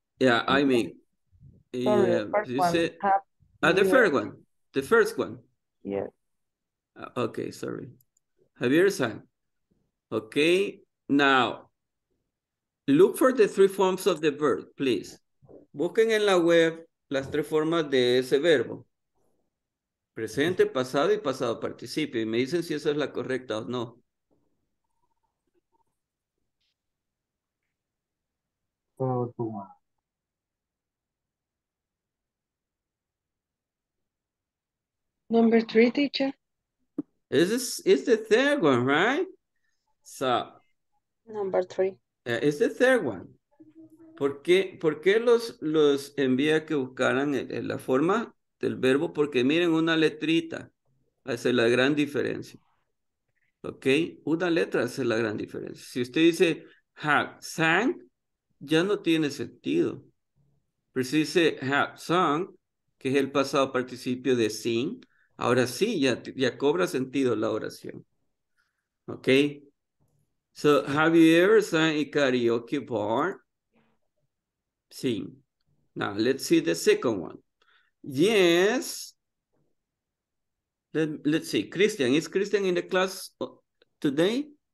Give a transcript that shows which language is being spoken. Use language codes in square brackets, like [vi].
[en] Yeah, I mean. Sorry, yeah, the first one. Yeah. Okay, sorry. Have you ever sang? Okay, now, look for the three forms of the verb, please. [es] Busquen en la web las tres formas de ese verbo. Presente, pasado y pasado participio. Y me dicen si esa es la correcta o no. [en] Number three, teacher. It's the third one, right? So number three. It's the third one. [es] ¿Por qué los envía que buscaran la forma del verbo? Porque miren, una letrita hace la gran diferencia. Ok, una letra hace la gran diferencia. Si usted dice have sang, ya no tiene sentido. Pero si dice have sung, que es el pasado participio de sing, ahora sí, ya cobra sentido la oración. ¿Ok? [en] So, have you ever sung a karaoke bar? Sing. Now, let's see the second one. Yes. Let's see. Christian, is Christian in the class today?